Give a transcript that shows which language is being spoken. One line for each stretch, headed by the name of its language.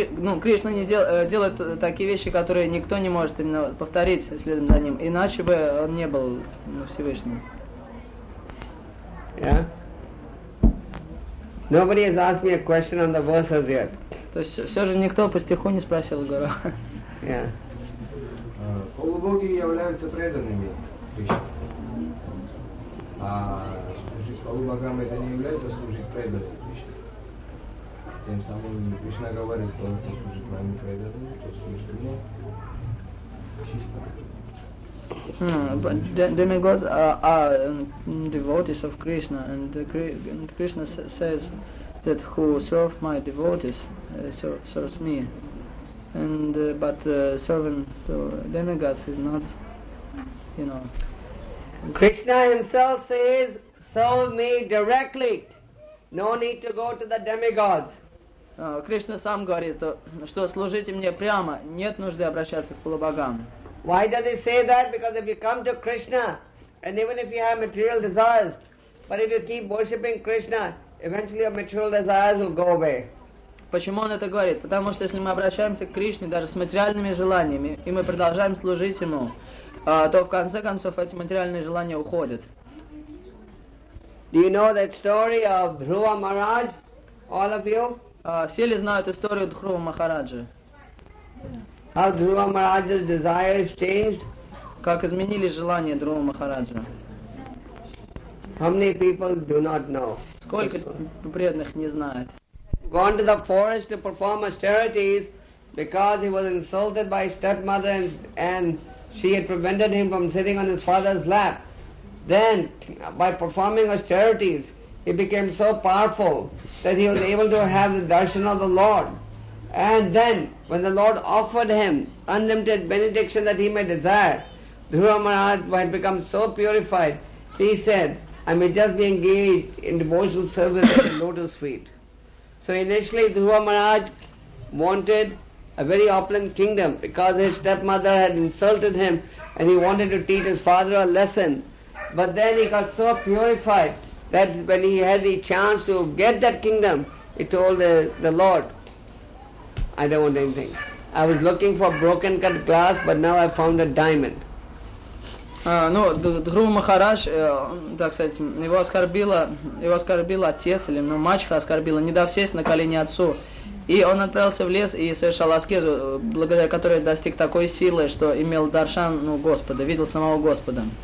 Russian: Ну, Кришна не делает такие вещи, которые никто не может именно повторить следом за ним. Иначе бы он не был, ну, Всевышним.
English: Yeah? Nobody has asked me a question on the verses yet.
Russian: То есть все же никто по стиху не спросил Гуру.
English: Yeah.
Russian: Полубоги являются преданными Кришне. А служить полубогам — это не является служить преданным Кришне. Тем самым Кришна говорит, что кто служит моим преданным, то служит мне.
English: But demigods are devotees of Krishna, and Krishna says that who serve my devotees serves me. And servant to demigods is not, you know. Krishna himself says, serve me directly. No need to go to the demigods.
Russian: Krishna сам говорит, что служите мне прямо, нет нужды обращаться к полубогам.
English: Why does he say that? Because if you come to Krishna, and even if you have material desires, but if you keep worshipping Krishna, eventually our material desires will go away.
Russian: Почему он это говорит? Потому что если мы обращаемся к Кришне даже с материальными желаниями, и мы продолжаем служить Ему, то в конце концов эти материальные желания уходят.
English: Do you know that story of Dhruva Maharaj, all of you?
Russian: Все ли знают историю Дхрува Махараджи?
English: How Dhruva Maharaj's desires changed?
Russian: Как изменились желания Дхрува Махараджи?
English: How many people do not know?
Russian: Сколько преданных не знает?
English: Gone to the forest to perform austerities because he was insulted by his stepmother and she had prevented him from sitting on his father's lap. Then, by performing austerities, he became so powerful that he was able to have the darshan of the Lord. And then, when the Lord offered him unlimited benediction that he may desire, Dhruva Maharaj had become so purified, he said, I may just be engaged in devotional service at the lotus feet. So initially Dhruva Maharaj wanted a very opulent kingdom because his stepmother had insulted him and he wanted to teach his father a lesson. But then he got so purified that when he had the chance to get that kingdom, he told the Lord, I don't want anything. I was looking for broken cut glass, but now I found a diamond.
Russian: Ну, Дхрува Махарадж, так сказать, его оскорбила отец, или мачеха оскорбила, не дав сесть на колени отцу. И он отправился в лес и совершал аскезу, благодаря которой достиг такой силы, что имел даршан, ну, Господа, видел самого Господа.